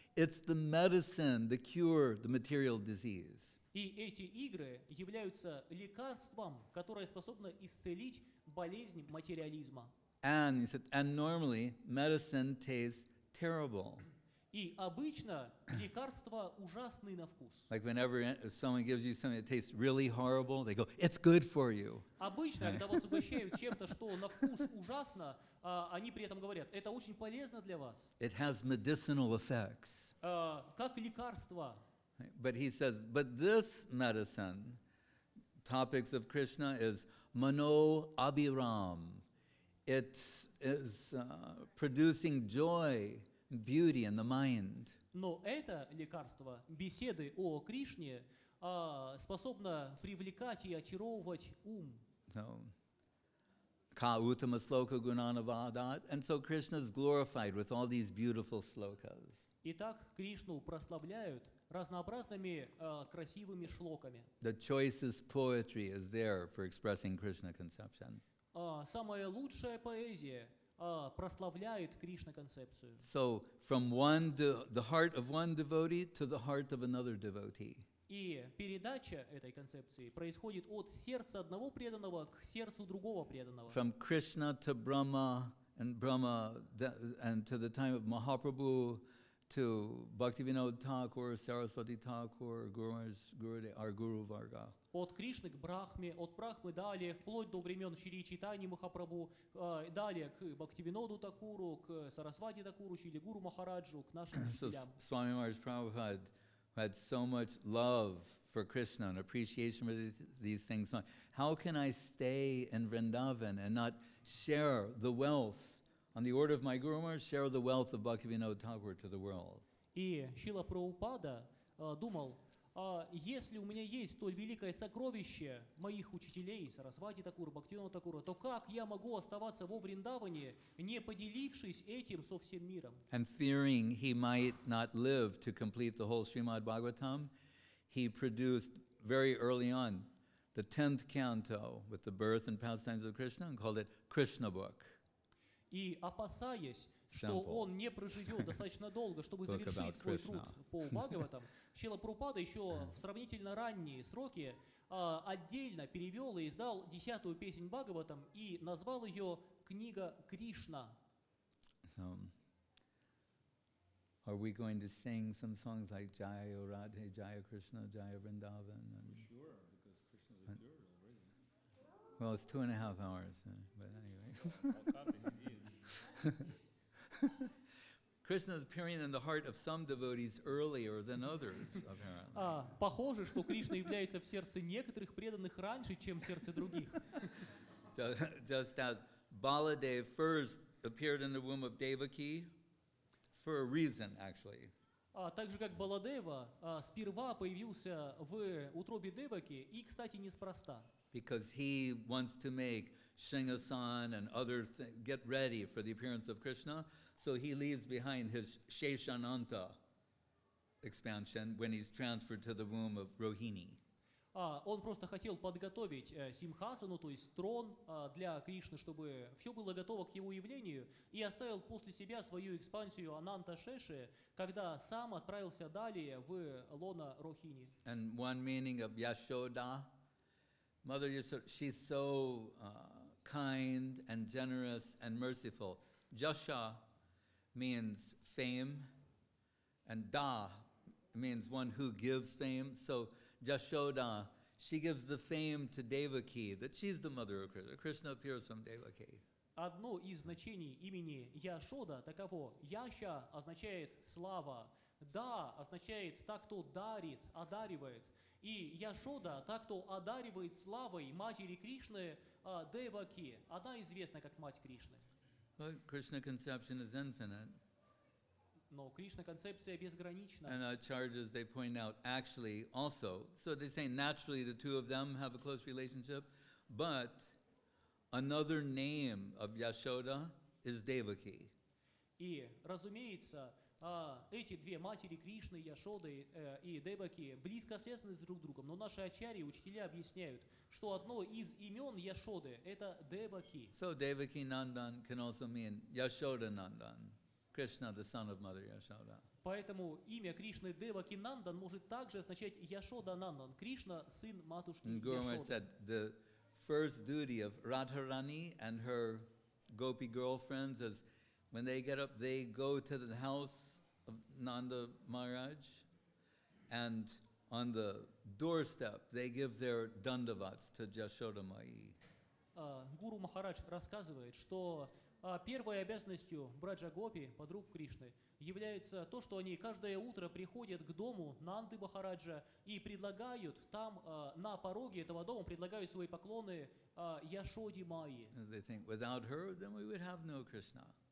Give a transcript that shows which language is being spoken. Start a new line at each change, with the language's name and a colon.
English: It's the medicine, the cure, the material disease.
Russian: И эти игры являются лекарством, которое способно исцелить болезнь материализма.
English: And he said, and normally medicine tastes terrible.
Russian: И обычно лекарства ужасны на вкус.
English: Like whenever someone gives you something that tastes really horrible, they go, it's good for you.
Russian: Обычно, когда вас угощают чем-то, что на вкус ужасно, они при этом говорят, это очень полезно для вас.
English: It has medicinal effects.
Russian: Как лекарство.
English: But he says, but this medicine, topics of Krishna, is
Sanskrit: mano abhiram.
English: It is producing joy, beauty in the mind.
Russian: Но это лекарство, беседы о Кришне, способно привлекать и очаровывать ум.
Sanskrit: So, ka uttama sloka gunanavadat.
English: And so Krishna is glorified with all these beautiful slokas.
Russian: Итак, Кришну прославляют разнообразными красивыми шлоками.
English: The choicest poetry is there for expressing Krishna conception.
Russian: Самая лучшая поэзия прославляет Кришна концепцию.
English: So from one the heart of one devotee to the heart of another devotee.
Russian: И передача этой концепции происходит от сердца одного преданного к сердцу другого преданного.
English: From Krishna to Brahma and Brahma and to the time of Mahaprabhu to Bhaktivinoda Thakur, Saraswati Thakur, our Guru Varga.
Russian: От Кришны к Брахме, от Брахмы далее, вплоть до времен Шри Чайтаньи Махапрабху, далее к Бхактивиноду Такуру, к Сарасвати Такуру, Шри Гуру Махараджу, к нашим учителям.
English: Swami Maharaj Prabhupada had so much love for Krishna and appreciation for these things. How can I stay in Vrindavan and not share the wealth on the order of my Guru Maharaj, share the wealth of Bhaktivinoda Thakur to the world.
Russian: И Шрила Прабхупада думал, если у меня есть столь великое сокровище моих учителей, Сарасвати Такура, Бхактивинода Такура, то как я могу оставаться во Вриндаване, не поделившись этим со всем миром?
English: And fearing he might not live to complete the whole Srimad Bhagavatam, he produced very early on the 10th canto with the birth and pastimes of Krishna and called it Krishna Book.
Russian: И опасаясь, что он не проживет достаточно долго, чтобы завершить свой труд по Бхагаватам, Шрила Прабхупада еще в сравнительно ранние сроки отдельно перевел и издал 10-ю песнь Бхагаватам и назвал ее «Книга Кришна».
English: Are we going to sing some songs like Jaya Radhe, Jaya Krishna, Jaya Vrindavan? Sure, because Krishna's a girl already. Well, it's 2.5 hours, but anyway. Krishna's appearing in the heart of some devotees earlier than others, apparently.
Russian: Похоже, что Кришна является в сердце некоторых преданных раньше, чем в сердце других.
English: So, just as Baladev first appeared in the womb of Devaki, for a reason, actually.
Russian: Так же как Баладева сперва появился в утробе Деваки, и, кстати, неспроста.
English: Because he wants to make Shingasan and others get ready for the appearance of Krishna, so he leaves behind his Sheshananta expansion when he's transferred to the womb of Rohini.
Russian: Он просто хотел подготовить Симхасану, то есть трон для Кришны, чтобы все было готово к его явлению, и оставил после себя свою экспансию Ананта-Шеши, когда сам отправился далее в лоно Рохини.
English: And one meaning of Yashoda, Mother Yashoda, she's so kind and generous and merciful. Jasha means fame, and Da means one who gives fame, so Yashoda, she gives the fame to Devaki, that she's the mother of Krishna. Krishna appears from Devaki.
Russian: Одно из значений имени Яшода таково. Яша означает слава. Да означает та, кто дарит, одаривает. И Яшода, та, кто одаривает славой матери Кришны, Деваки. Она известна как мать Кришны.
English: But Krishna conception is infinite.
Russian: Но Кришна концепция безгранична.
English: And Acharyas, they point out, actually, also, so they say naturally the two of them have a close relationship, but another name of Yashoda is Devaki.
Russian: И, разумеется, эти две матери Кришны, Яшоды и Деваки, близко связаны друг с другом, но наши Ачарьи, учителя объясняют, что одно из имен Яшоды – это Деваки.
English: So Devaki Nandan can also mean Yashoda Nandan. Krishna, the son of Mother Yashoda.
Russian: Поэтому имя Кришны Деваки Нандан может также означать Яшода Нандан, Кришна, сын матушки Яшоды.
English: Guru Maharaj said the first duty of Radharani and her gopi girlfriends is when they get up, they go to the house of Nanda Maharaj, and on the doorstep they give their dandavats to Yashoda Mai.
Russian: Гуру Махарадж рассказывает, что первой обязанностью Браджа Гопи, подруг Кришны, является то, что они каждое утро приходят к дому Нанды Махараджа и предлагают там, на пороге этого дома, предлагают свои поклоны Яшоди Майи.
English: They think, without her, then we would have no Krishna.